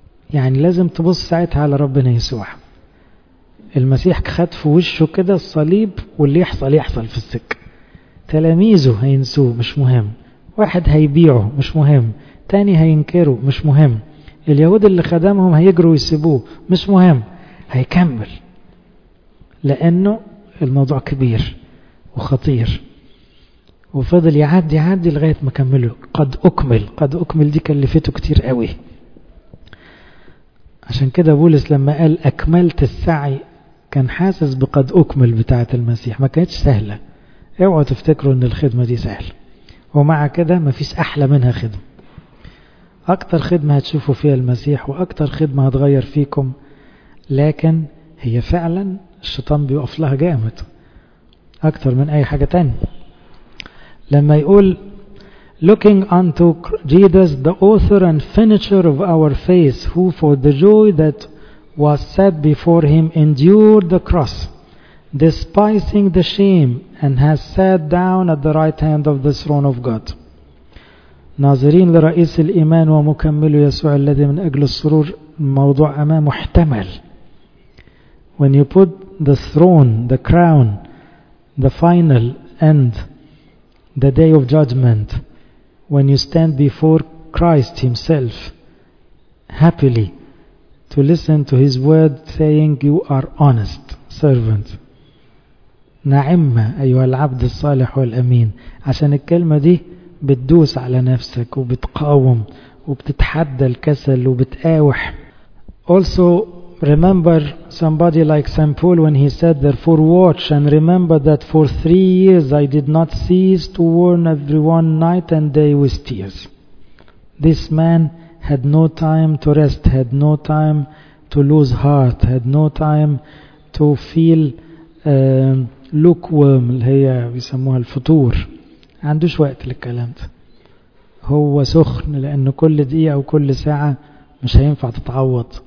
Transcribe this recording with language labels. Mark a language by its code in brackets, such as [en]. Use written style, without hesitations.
[ar] يعني لازم تبص ساعتها على ربنا يسوع. المسيح خد في وشه كده الصليب, واللي يحصل يحصل في السك. تلاميذه هينسوه مش مهم, واحد هيبيعه مش مهم, تاني هينكره مش مهم, اليهود اللي خدمهم هيجروا يسيبوه مش مهم, هيكمل, لأنه الموضوع كبير وخطير. وفضل يعدي يعدي لغاية ما كمله. قد أكمل, قد أكمل دي كلفته كتير قوي. عشان كده بولس لما قال أكملت السعي كان حاسس بقد أكمل بتاعة المسيح, ما كانتش سهلة. اوعوا تفتكروا ان الخدمة دي سهلة, ومع كده ما فيش أحلى منها خدمة. أكتر خدمة هتشوفوا فيها المسيح وأكتر خدمة هتغير فيكم, لكن هي فعلا الشيطان بيقف لها جامد أكتر من أي حاجة تانية. لما يقول [en] looking unto Jesus the author and finisher of our faith, who for the joy that was set before him endured the cross, despising the shame, and has sat down at the right hand of the throne of God. [ar] ناظرين لرئيس الإيمان ومكمله يسوع الذي من أجل السرور. موضوع أمامه محتمل. [en] When you put the throne, the crown, the final end, the day of judgment, when you stand before Christ himself happily to listen to his word saying you are honest servant. [ar] نعمة أيها العبد الصالح والأمين. عشان الكلمة دي بتدوس على نفسك وبتقاوم وبتتحدى الكسل وبتقاوح. [en] Also remember somebody like St. Paul when he said, therefore watch and remember that for 3 years I did not cease to warn everyone night and day with tears. This man had no time to rest, had no time to lose heart, had no time to feel lukewarm, [ar] اللي هي بيسموها الفطور. عندوش وقت للكلام ده, هو سخن, لأن كل دقيقة وكل ساعة مش هينفع تتعوض.